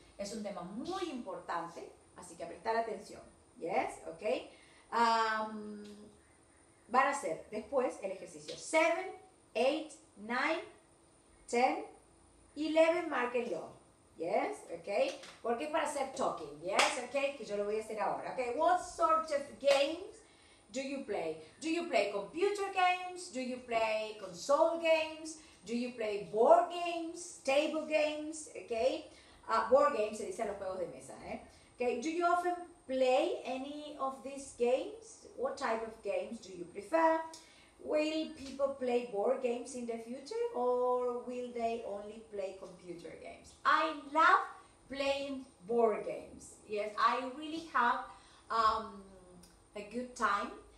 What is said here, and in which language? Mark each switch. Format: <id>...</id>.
<es>Es un tema muy importante. Así que prestar atención, yes, ok. Van a hacer después el ejercicio 7, 8, 9, 10, 11, márquenlo, yes, ok. Porque es para hacer talking, yes, ok, que yo lo voy a hacer ahora.</es> <en>Ok, what sort of games do you play? Do you play computer games? Do you play console games? Do you play board games, table games, ok?</en> <es>Board games se dice a los juegos de mesa, eh.</es> <en>Okay, do you often play any of these games? What type of games do you prefer? Will people play board games in the future or will they only play computer games? I love playing board games. Yes, I really have a good time.</en>